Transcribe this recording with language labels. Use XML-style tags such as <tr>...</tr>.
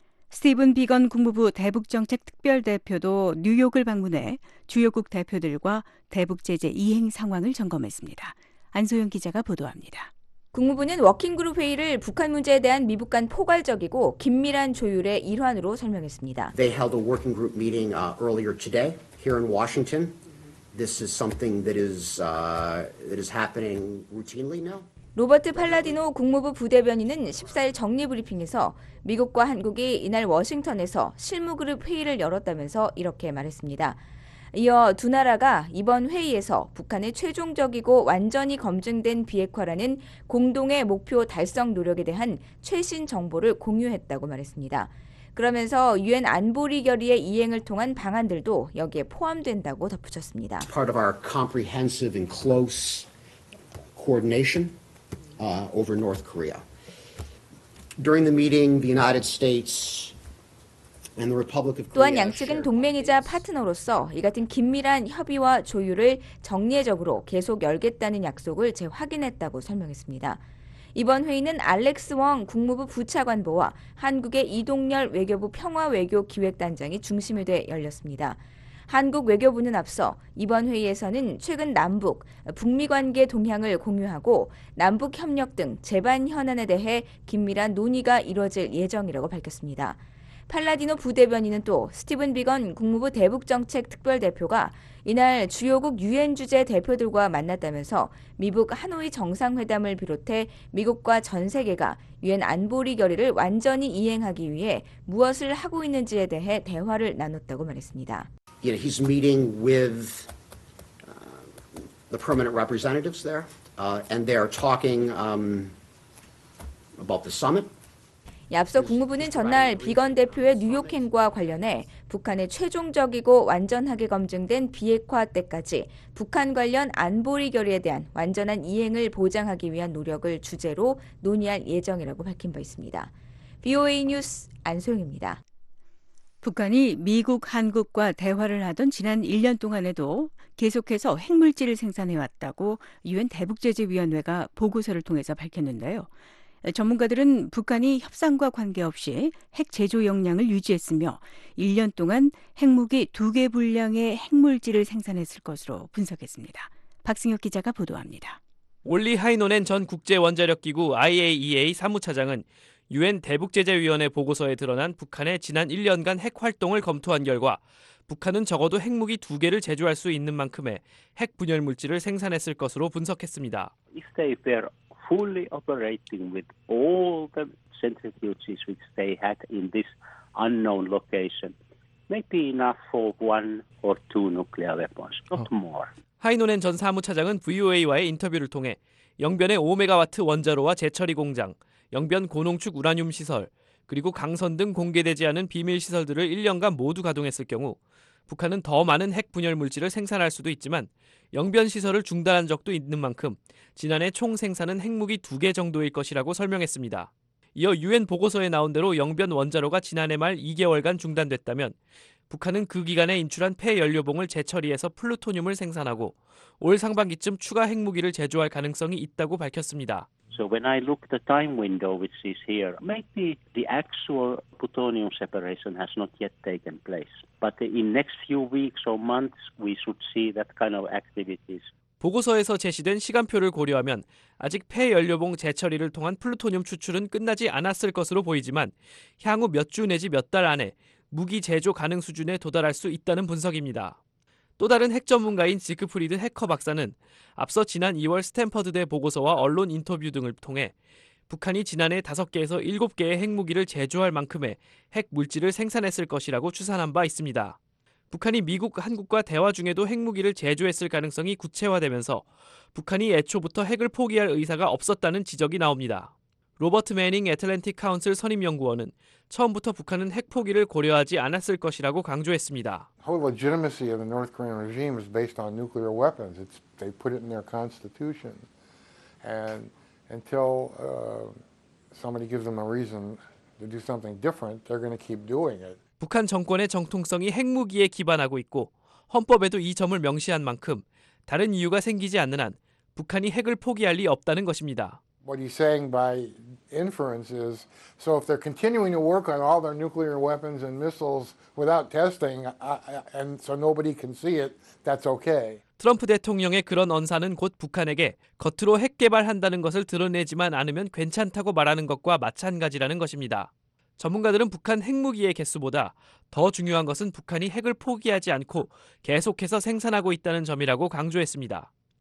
<ko>스티븐 비건 국무부 대북정책특별대표도 뉴욕을 방문해 주요국 대표들과 대북제재 이행 상황을 점검했습니다. 안소영 기자가 보도합니다. 국무부는 워킹그룹 회의를 북한 문제에 대한 미국 간 포괄적이고 긴밀한 조율의 일환으로 설명했습니다.</ko> <en>They held a working group meeting earlier today here in Washington. This is something that is happening routinely now.</en> <ko>로버트 팔라디노 국무부 부대변인은 14일 정례 브리핑에서 미국과 한국이 이날 워싱턴에서 실무그룹 회의를 열었다면서 이렇게 말했습니다. 이어 두 나라가 이번 회의에서 북한의 최종적이고 완전히 검증된 비핵화라는 공동의 목표 달성 노력에 대한 최신 정보를 공유했다고 말했습니다. 그러면서 유엔 안보리 결의의 이행을 통한 방안들도 여기에 포함된다고 덧붙였습니다.</ko> <en>Part of our comprehensive and close coordination over North Korea. During the meeting, the United States and the Republic of Korea.</en> <ko>또한 양측은 동맹이자 파트너로서 이 같은 긴밀한 협의와 조율을 정례적으로 계속 열겠다는 약속을 재확인했다고 설명했습니다. 이번 회의는 알렉스 웡 국무부 부차관보와 한국의 이동열 외교부 평화외교기획단장이 중심이 돼 열렸습니다. 한국 외교부는 앞서 이번 회의에서는 최근 남북, 북미 관계 동향을 공유하고 남북협력 등 재반 현안에 대해 긴밀한 논의가 이뤄질 예정이라고 밝혔습니다. 팔라디노 부대변인은 또 스티븐 비건 국무부 대북정책특별대표가 이날 주요국 유엔 주재 대표들과 만났다면서 미국 하노이 정상회담을 비롯해 미국과 전 세계가 유엔 안보리 결의를 완전히 이행하기 위해 무엇을 하고 있는지에 대해 대화를 나눴다고 말했습니다.</ko> <en>You know, he's meeting with the permanent representatives there, and they are talking about the summit.</en> <ko>앞서 국무부는 전날 비건 대표의 뉴욕행과 관련해 북한의 최종적이고 완전하게 검증된 비핵화 때까지 북한 관련 안보리 결의에 대한 완전한 이행을 보장하기 위한 노력을 주제로 논의할 예정이라고 밝힌 바 있습니다. BOA 뉴스 안소영입니다. 북한이 미국, 한국과 대화를 하던 지난 1년 동안에도 계속해서 핵물질을 생산해왔다고 유엔 대북제재위원회가 보고서를 통해서 밝혔는데요. 전문가들은 북한이 협상과 관계없이 핵 제조 역량을 유지했으며 1년 동안 핵무기 2개 분량의 핵물질을 생산했을 것으로 분석했습니다. 박승혁 기자가 보도합니다. 올리 하이노넨 전 국제원자력기구 IAEA 사무차장은 유엔 대북제재위원회 보고서에 드러난 북한의 지난 1년간 핵 활동을 검토한 결과 북한은 적어도 핵무기 2개를 제조할 수 있는 만큼의 핵 분열 물질을 생산했을 것으로 분석했습니다.</ko> <en>If they fail fully operating with all the centrifuges which they had in this unknown location, maybe enough for one or two nuclear weapons, not more.</en> <ko>하이노넨 전 사무차장은 VOA와의 인터뷰를 통해 영변의 5메가와트 원자로와 재처리 공장, 영변 고농축 우라늄 시설, 그리고 강선 등 공개되지 않은 비밀 시설들을 1년간 모두 가동했을 경우 북한은 더 많은 핵 분열 물질을 생산할 수도 있지만 영변 시설을 중단한 적도 있는 만큼 지난해 총 생산은 핵무기 2개 정도일 것이라고 설명했습니다. 이어 유엔 보고서에 나온 대로 영변 원자로가 지난해 말 2개월간 중단됐다면 북한은 그 기간에 인출한 폐연료봉을 재처리해서 플루토늄을 생산하고 올 상반기쯤 추가 핵무기를 제조할 가능성이 있다고 밝혔습니다.</ko> <en>So when I look at the time window which is here, maybe the actual plutonium separation has not yet taken place. But in next few weeks or months, we should see that kind of activities.</en> <ko>보고서에서 제시된 시간표를 고려하면 아직 폐연료봉 재처리를 통한 플루토늄 추출은 끝나지 않았을 것으로 보이지만 향후 몇 주 내지 몇 달 안에 무기 제조 가능 수준에 도달할 수 있다는 분석입니다. 또 다른 핵 전문가인 지크프리드 해커 박사는 앞서 지난 2월 스탠퍼드대 보고서와 언론 인터뷰 등을 통해 북한이 지난해 5개에서 7개의 핵무기를 제조할 만큼의 핵 물질을 생산했을 것이라고 추산한 바 있습니다. 북한이 미국, 한국과 대화 중에도 핵무기를 제조했을 가능성이 구체화되면서 북한이 애초부터 핵을 포기할 의사가 없었다는 지적이 나옵니다. 로버트 매닝 애틀랜틱 카운슬 선임연구원은 처음부터 북한은 핵 포기를 고려하지 않았을 것이라고 강조했습니다.</ko> <en>The whole legitimacy of the North Korean regime is based on nuclear weapons. It's they put it in their constitution. And until somebody gives them a reason to do something different, they're going to keep doing it.</en> <ko>북한 정권의 정통성이 핵무기에 기반하고 있고 헌법에도 이 점을 명시한 만큼 다른 이유가 생기지 않는 한 북한이 핵을 포기할 리 없다는 것입니다.</ko> <en>What he's saying by inference is, so if they're continuing to work on all their nuclear weapons and missiles without testing, and so nobody can see it, that's okay.</en> <ko>트럼프 대통령의 그런 언사는 곧 북한에게 겉으로 핵 개발한다는 것을 드러내지만 않으면 괜찮다고 말하는 것과 마찬가지라는 것입니다. 전문가들은 북한 핵무기의 개수보다 더 중요한 것은 북한이 핵을 포기하지 않고 계속해서 생산하고 있다는 점이라고 강조했습니다.</ko>